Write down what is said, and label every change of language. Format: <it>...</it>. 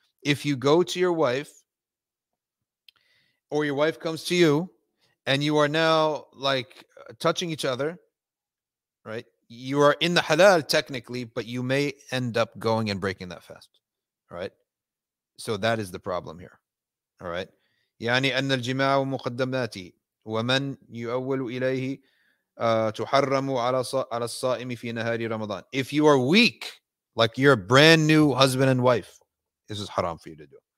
<en>If you go to your wife or your wife comes to you and you are now like touching each other, right? You are in the halal technically, but you may end up going and breaking that fast, right? So that is the problem here, all right?</en> <ar>يعني أن الجماع مقدماتي ومن يؤول إليه تحرم على الصائم في نهار رمضان.</ar> <en>If you are weak, like you're a brand new husband and wife, this is haram for you to do.</en>